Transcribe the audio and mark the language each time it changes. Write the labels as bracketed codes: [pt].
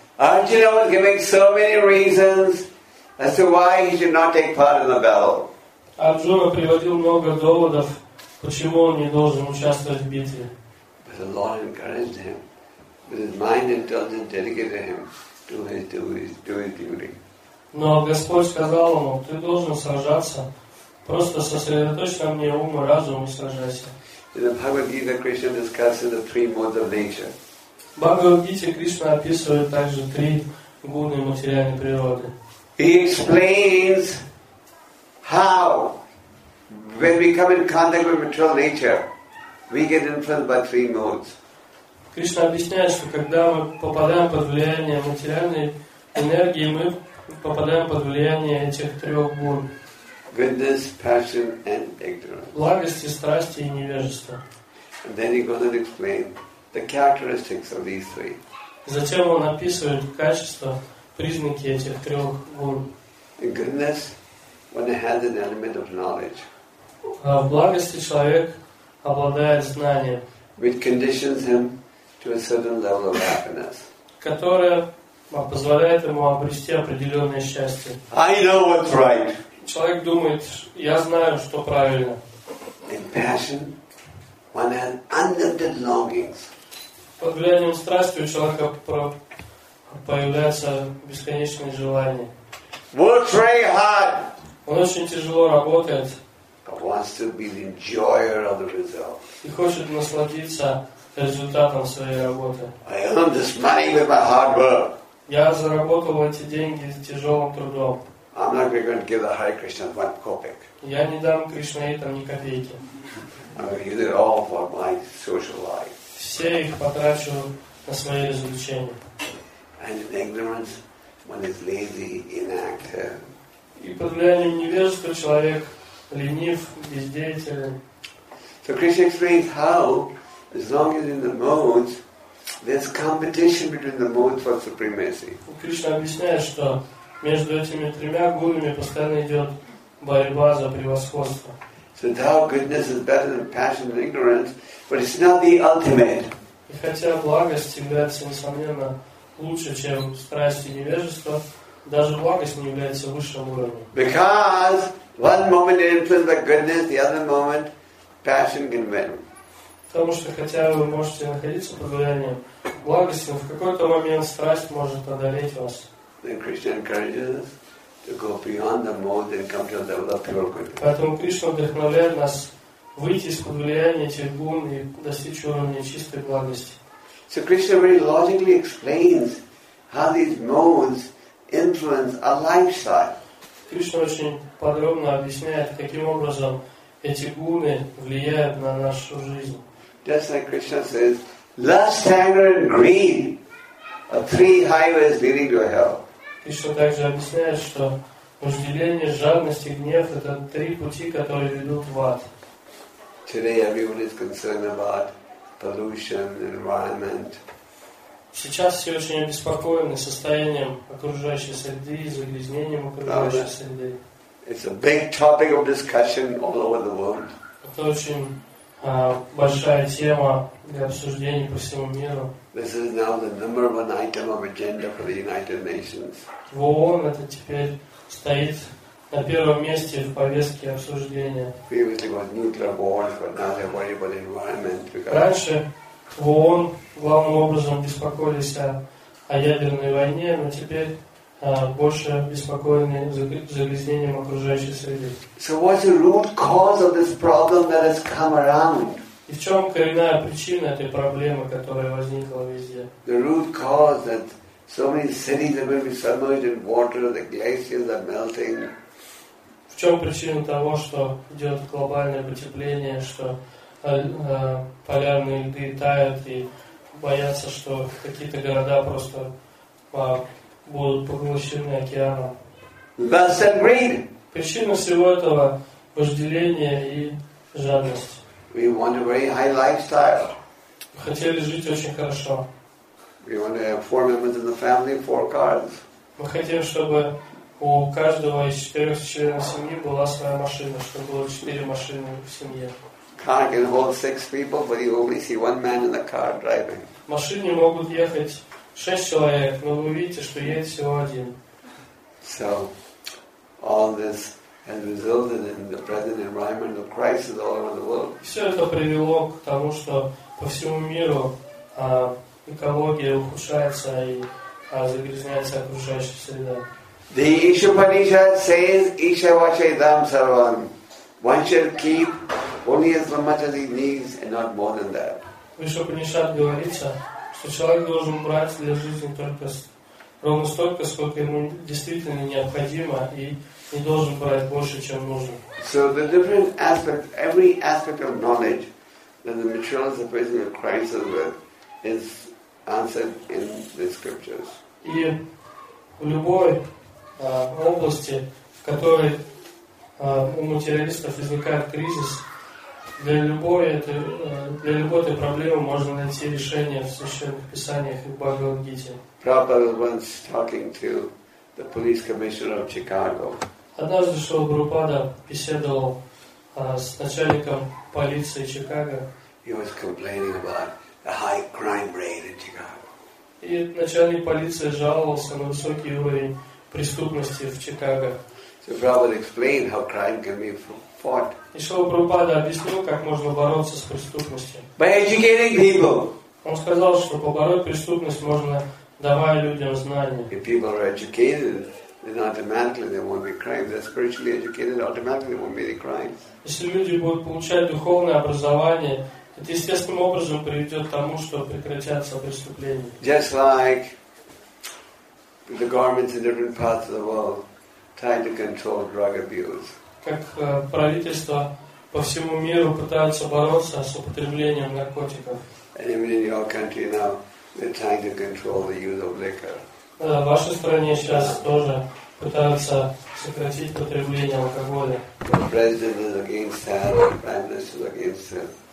[en] Arjuna was giving so many reasons as to why he should not take part in the battle. [ru] Arjuna приводил много доводов, почему он не должен участвовать в битве. [en] But the Lord encouraged him with his mind intelligence dedicated him to his duty. [ru] Но Господь сказал ему, ты должен сражаться. Просто сосредоточься на мне ум и разум и сражайся. [en] In the Bhagavad-gita, Krishna discusses the three modes of nature. [ru] В Бхагавад-гите Кришна описывает также три гуны материальной природы. [en] He explains how, when we come in contact with material nature, we get influenced by three modes. [ru] Кришна объясняет, что когда мы попадаем под влияние материальной энергии, мы попадаем под влияние этих трех гун. [en] Goodness, passion, and ignorance. [ru] Благости, страсти и невежества. [en] And then he goes and explains the characteristics of these three. [ru] Затем он описывает качества, признаки этих трех гун. [en] In goodness, one has an element of knowledge. [ru] В благости человек обладает знанием, [en] which conditions him to a certain level of happiness. [ru] Которое позволяет ему обрести определенное счастье. [en] I know what's right. [ru] Человек думает, я знаю, что правильно. [en] In passion, one has unlimited longings. [ru] Под влиянием страсти у человека появляется бесконечное желание. [en] Works very hard. [ru] Он очень тяжело работает. [en] But wants to be the enjoyer of the result. [ru] И хочет насладиться результатом своей работы. [en] I earned this money with my hard work. [ru] Я заработал эти деньги с тяжелым трудом. [en] I'm not going to give the Hare Krishna one copeck. [ru] Я не дам Кришне там ни копейки. [en] I'm going to use it all for my social life. [ru] Все их потрачу на свои развлечения. [en] And in ignorance, one is lazy, inactive. [ru] И под влиянием невежества человек ленив, бездеятелен. [en] So Krishna explains how, as long as in the modes, there's competition between the modes for supremacy. [ru] Кришна объясняет, что между этими тремя гунами постоянно идет борьба за превосходство. [en] So thou goodness is better than passion and ignorance, but it's not the ultimate. [ru] И хотя благость является несомненно лучше, чем страсть и невежество, даже благость не является высшим уровнем. [en] Because one moment it influences the goodness, the other moment passion can win. [ru] Потому что хотя вы можете находиться под влиянием благости, но в какой-то момент страсть может одолеть вас. [en] Then Krishna encourages us to go beyond the mode and come to a level of pure goodness. [ru] Поэтому Кришна вдохновляет нас выйти из-под влияния этих гун и достичь уровня чистой благости. [en] So Krishna very logically explains how these modes influence our lifestyle. [ru] Кришна очень подробно объясняет, каким образом эти гуны влияют на нашу жизнь. [en] Just like Krishna says, lust, anger, and greed are three highways leading to hell. [ru] Кришна также объясняет, что вожделение, жадность и гнев — это три пути, которые ведут в ад. [en] Today everyone is concerned about pollution, environment. [ru] Сейчас все очень обеспокоены состоянием окружающей среды и загрязнением окружающей среды. [en] It's a big topic of discussion all over the world. [ru] Это очень большая тема для обсуждений по всему миру. [en] This is now the number one item of agenda for the United Nations. [ru] В ООН это теперь стоит на первом месте в повестке обсуждения. [en] Previously it was nuclear wars, but now they're worried about the environment. [ru] Раньше в ООН главным образом беспокоились о ядерной войне, но теперь больше беспокоены загрязнением окружающей среды. [en] So what's the root cause of this problem that has come around? [ru] И в чем коренная причина этой проблемы, которая возникла везде? [en] The root cause that so many cities are being submerged in water, the glaciers are melting. [ru] В чем причина того, что идет глобальное потепление, что полярные льды тают и боятся, что какие-то города просто будут поглощены океаном. [en] Lust and greed. [ru] Причина всего этого – вожделение и жадность. [en] We want a very high lifestyle. [ru] Мы хотели жить очень хорошо. [en] We want to have 4 members in the family, 4 cars. [ru] Мы хотим, чтобы у каждого из 4 членов семьи была своя машина, чтобы было 4 машины в семье. [en] Car can hold 6 people, but you only see 1 man in the car driving. [ru] Машины могут ехать 6 человек, но вы видите, что едет всего один. [en] So, all this has resulted in the present environmental crisis all over the world. [ru] Все это привело к тому, что по всему миру экология ухудшается и загрязняется окружающая среда. [en] The Ishupanishad says, Ishavachaydam Sarvam. One should keep only as much as he needs and not more than that. [ru] В Ишупанишад говорится, что человек должен брать для жизни только ровно столько, сколько ему действительно необходимо, и не должен брать больше, чем нужно. [en] So the different aspect, every aspect of knowledge that the materialists are facing a crisis with is answered in the scriptures. [ru] И в любой области, в которой у материалистов возникает кризис, Для любой этой проблемы можно найти решение в священных писаниях и в Бхагавад-гите. [en] Prabhupada was once talking to the police commissioner of Chicago. [ru] Однажды Шрила Прабхупада беседовал с начальником полиции Чикаго. [en] He was complaining about the high crime rate in Chicago. [ru] И начальник полиции жаловался на высокий уровень преступности в Чикаго. [en] So Prabhupada explained how crime can be fought. [ru] И Шрила Прабхупада объяснил, как можно бороться с преступностью. [en] By educating people. [ru] Он сказал, что побороть преступность можно, давая людям знания. [en] If people are educated, then automatically they won't be crimes. They're spiritually educated, automatically they won't be any crimes. [ru] Если люди будут получать духовное образование, это естественным образом приведет к тому, что прекратятся преступления. [en] Just like the governments in different parts of the world trying to control drug abuse. [ru] Как правительства по всему миру пытаются бороться с употреблением наркотиков. [en] And even in your country now, they're trying to control the use of liquor. [ru] В вашей стране сейчас тоже пытаются сократить потребление алкоголя. [en] The president is against that, the prime minister is against it.